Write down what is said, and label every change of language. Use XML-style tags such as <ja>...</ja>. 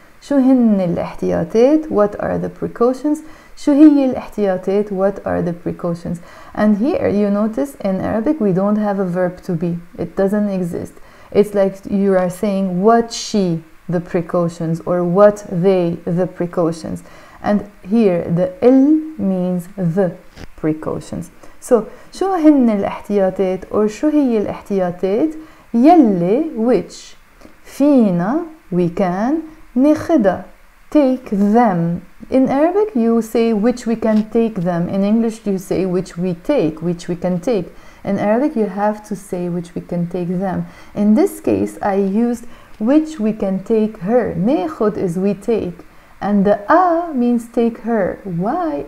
<ar>شو هن الاحتياطات?</ar> <en>What are the precautions?</en> <ar>شو هي الاحتياطات?</ar> <en>What are the precautions? And here you notice in Arabic we don't have a verb to be. It doesn't exist. It's like you are saying what she the precautions or what they the precautions. And here the ال means the precautions. So</en> <ar>شو هن الاحتياطات</ar> <en>or</en> <ar>شو هي الاحتياطات يلي</ar> <en>which</en> <ar>فينا</ar> <en>we can</en> <ar>نخده</ar> <en>take them. In Arabic you say which we can take them. In English you say which we take, which we can take. In Arabic you have to say which we can take them. In this case I used which we can take her. نخد is we take. And the a means take her. Why?</en>